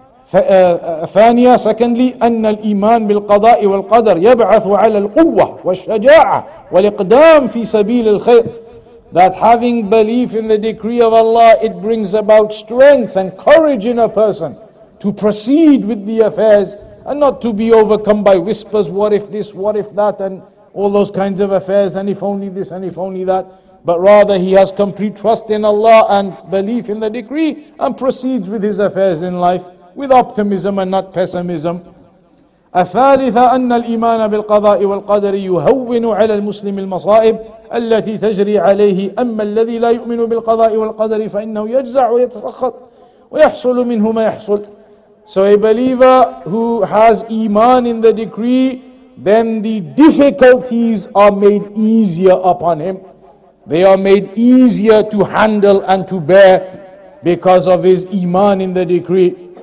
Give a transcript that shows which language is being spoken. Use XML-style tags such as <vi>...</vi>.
<ar>ثانية, secondly, أن الإيمان بالقضاء والقدر يبعث على القوة والشجاعة والإقدام في سبيل الخير.</ar> <en>That having belief in the decree of Allah, it brings about strength and courage in a person to proceed with the affairs and not to be overcome by whispers, what if this, what if that, and all those kinds of affairs, and if only this, and if only that. But rather he has complete trust in Allah and belief in the decree and proceeds with his affairs in life with optimism and not pessimism.</en> <ar>الثالثة أن الإيمان بالقضاء والقدر يهون على المسلم المصائب التي تجري عليه, أما الذي لا يؤمن بالقضاء والقدر فإنه يجزع ويتسخط ويحصل منه ما يحصل.</ar> <en>So a believer who has iman in the decree, then the difficulties are made easier upon him. They are made easier to handle and to bear because of his iman in the decree.</en>